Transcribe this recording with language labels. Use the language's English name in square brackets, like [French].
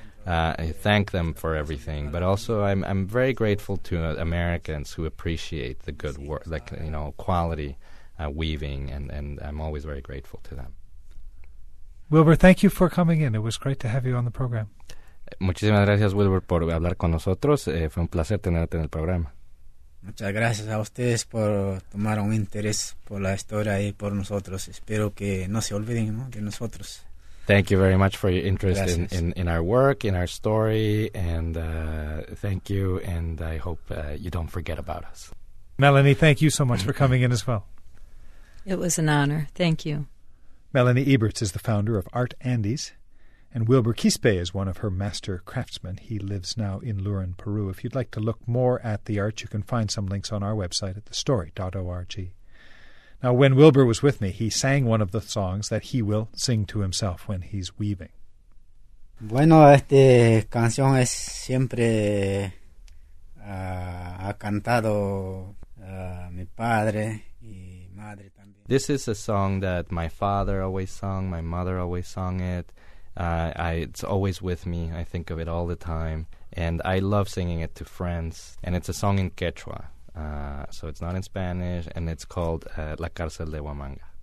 [English] I thank them for everything, but also I'm very grateful to Americans who appreciate the good work, quality weaving, and I'm always very grateful to them. Wilbur, thank you for coming in. It was great to have you on the program. [Spanish] Muchísimas gracias, Wilbur, por hablar con nosotros. Fue un placer tenerte en el programa. Muchas gracias a ustedes por tomar un interés por la historia y por nosotros. Espero que no se olviden, ¿no?, de nosotros. [English] Thank you very much for your interest in our work, in our story, and thank you, and I hope you don't forget about us. Melanie, thank you so much for coming in as well. It was an honor. Thank you. Melanie Eberts is the founder of Art Andes, and Wilbur Quispe is one of her master craftsmen. He lives now in Lurin, Peru. If you'd like to look more at the art, you can find some links on our website at thestory.org. Now, when Wilbur was with me, he sang one of the songs that he will sing to himself when he's weaving. [Spanish] Bueno, esta canción es siempre ha cantado mi padre y madre también. [English] This is a song that my father always sung, my mother always sung it. It's always with me. I think of it all the time. And I love singing it to friends. And it's a song in Quechua. So it's not in Spanish, and it's called La Cárcel de Huamanga.